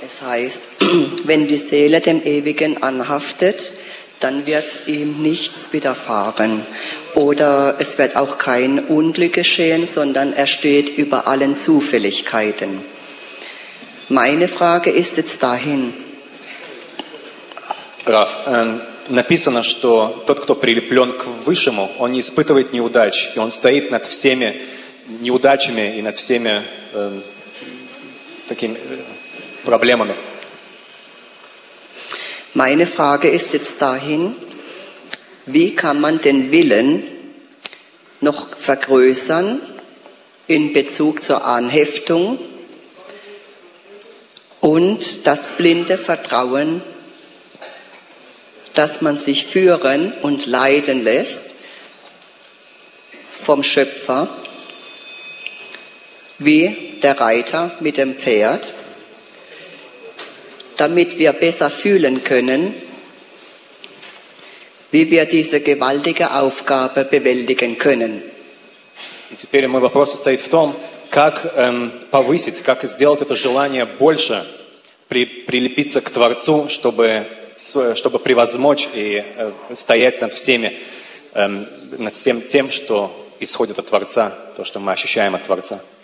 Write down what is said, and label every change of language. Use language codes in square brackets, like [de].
[de] Es heißt, wenn die Seele dem Ewigen anhaftet, dann wird ihm nichts widerfahren. Oder es wird auch kein Unglück geschehen, sondern er steht über allen Zufälligkeiten. Meine Frage ist jetzt dahin. [ru] Раф, написано, что тот, кто прилеплен к Высшему, он не испытывает неудач, и он стоит над всеми неудачами и над всеми такими проблемами. [de] Meine Frage ist jetzt dahin, wie kann man den Willen noch vergrößern in Bezug zur Anheftung? Und das blinde Vertrauen, dass man sich führen und leiden lässt vom Schöpfer, wie der Reiter mit dem Pferd, damit wir besser fühlen können, wie wir diese gewaltige Aufgabe bewältigen können. Und [ru] теперь мой вопрос состоит в том, как повысить, как сделать это желание больше, прилепиться к Творцу, чтобы превозмочь и стоять над всеми, над всем тем, что исходит от Творца, то, что мы ощущаем от Творца.